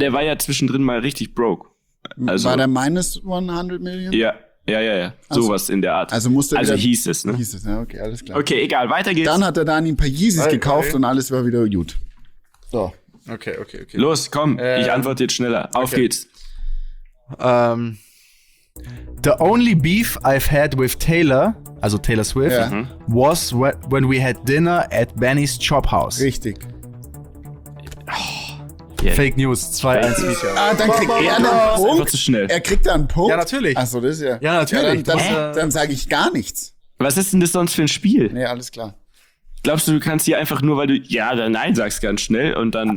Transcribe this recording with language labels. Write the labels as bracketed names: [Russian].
[German] Der war ja zwischendrin mal richtig broke. Also, war der minus 100 Millionen? Ja. Ja. Sowas in der Art. Also musste also wieder, hieß es, ne? Hieß es, ja, okay, alles klar. Okay, egal, weiter geht's. Dann hat er Dani ein paar Yeezys gekauft und alles war wieder gut. So. Okay. Los, komm, ich antworte jetzt schneller. Auf geht's. [English] The only beef I've had with Taylor, also Taylor Swift, was when we had dinner at Benny's Chop House. [German] Richtig. [English] Yeah. Fake News, 2-1. [German] Ah, dann kriegt er einen Punkt. Zu schnell. Er kriegt da einen Punkt. Ja, natürlich. Achso, das ist ja. Ja, natürlich. Ja, dann sage ich gar nichts. Was ist denn das sonst für ein Spiel? Nee, alles klar. Glaubst du, du kannst hier einfach nur, weil du ja oder nein sagst, ganz schnell und dann.